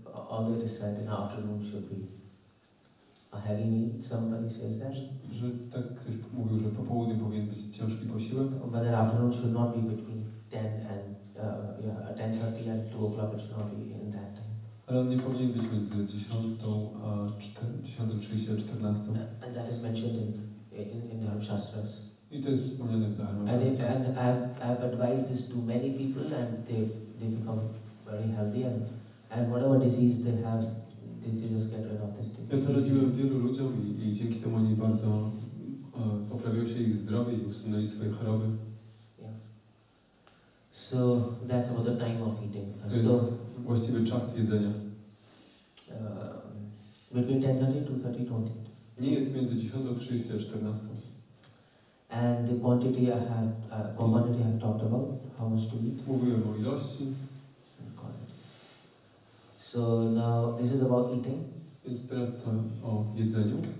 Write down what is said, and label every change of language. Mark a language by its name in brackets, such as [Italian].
[English] Although it is said in the afternoon should be a heavy meal, somebody says that. [Polish] Że tak ktoś mówił, że po południu powinien być ciężki posiłek. [English] But the afternoon should not be between 10:30 and 2 o'clock. It should not be in that time. [Polish] Ale on nie powinien być między 10:30 a 14:00. [English] And that is mentioned in the Dharmashastras. [Polish] I to jest wspomniane w Dharmashastra. [English] And I've advised this to many people and they become very healthy and whatever disease they have, they just get rid of this disease. [Polish] Ja to radziłem wielu ludziom i dzięki temu oni bardzo poprawiło się ich zdrowie i usunęli swoje choroby. [English] So that's about the time of eating. [Polish] Właściwy czas jedzenia. [English] Between 10:30 to 2:30, don't eat. [Polish] Nie jest między 10:30 a 14:00. [English] And the quantity I have talked about, how much to eat. [Polish] Mówiłem o ilości. [English] So now this is about eating. [Polish] Więc teraz to o jedzeniu.